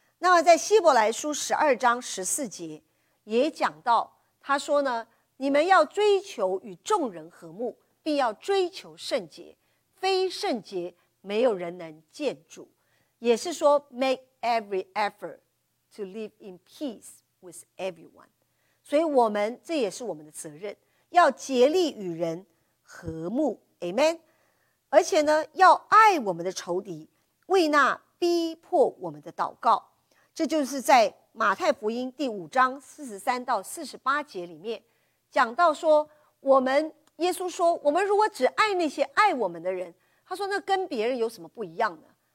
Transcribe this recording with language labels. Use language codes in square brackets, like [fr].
[zh] 那么在希伯来书十二章十四节也讲到，他说呢，你们要追求与众人和睦，必要追求圣洁，非圣洁没有人能见主。也是说 [en] make every effort to live in peace with everyone。 [zh] 所以我们这也是我们的责任，要竭力与人和睦， Amen。而且呢，要爱我们的仇敌，为那逼迫我们的祷告。这就是在马太福音第五章四十三到四十八节里面讲到说，我们耶稣说，我们如果只爱那些爱我们的人，他说那跟别人有什么不一样呢？